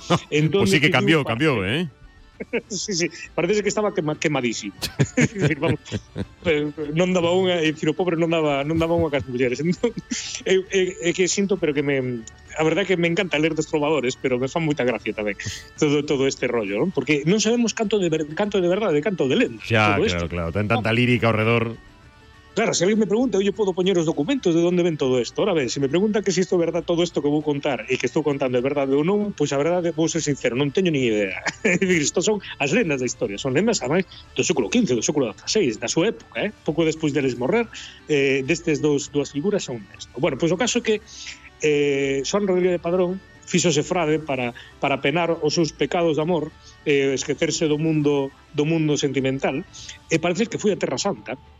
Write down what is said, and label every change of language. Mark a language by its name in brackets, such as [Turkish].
[Galician] Entón, pois sí que cambiou, ¿eh? [Spanish] Sí, sí, parece que estaba quemadísimo. [Galician] Vamos, non daba unha, o pobre non daba unha cas mulleres. É que sinto, pero que me... A verdade é que me encanta ler dos trovadores, pero me fa moita gracia tamén todo este rollo, ¿no? Porque non sabemos canto de verdade, canto de lenda. [Spanish] Ya, claro, [Galician] ten tanta lírica ao redor. Claro, se alguén me pregunta, eu podo poñer os documentos de onde ven todo isto. Ora ben, se me pregunta que se isto é verdade, todo isto que vou contar e que estou contando é verdade ou non, pois a verdade, vou ser sincero, non teño ni idea. Isto son as lendas da historia, son lendas, ademais, do século XV, do século XVI, da súa época, ¿eh? Pouco despois deles morrer, destes dúas figuras son isto. Bueno, pois o caso é que Xoán Rodríguez de Padrón fixose frade para penar os seus pecados de amor, esquecerse do mundo sentimental, e parece que foi a Terra Santa.